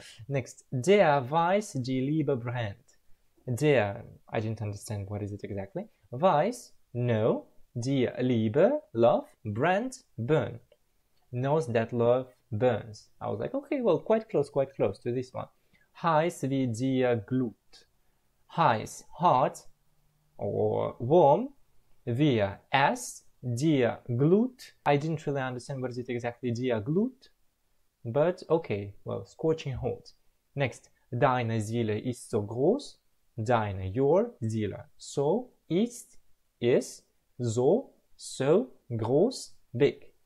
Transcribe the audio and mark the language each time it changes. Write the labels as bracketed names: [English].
[English] Next, [German] der weiß die liebe brennt. [English] Der, I didn't understand what is it exactly. [German] Weiß, know, die liebe, love, brennt, burn. [English] Knows that love burns. I was like, okay, well, quite close to this one. [German] Heiß wie die Glut. Heiß, [English] hot, or warm, [German] wie es, die Glut. [English] I didn't really understand what is it exactly, die Glut. But okay, well, scorching hot. Next, [German] deine Seele ist so groß, deine, your, Seele, so, ist, so, so, groß, big.